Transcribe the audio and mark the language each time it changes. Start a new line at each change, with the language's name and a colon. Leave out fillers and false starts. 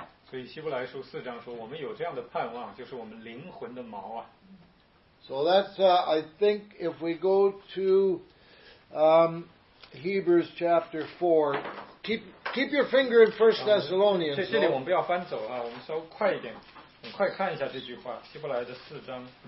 Chinese: 所以希伯来书四章说，我们有这样的盼望，就是我们灵魂的锚啊。
English: So that's, I think, if we go to Hebrews chapter 4, keep your finger in 1 Thessalonians.
Chinese: 这里我们不要翻走啊，我们稍微快一点，很快看一下这句话，希伯来的四章。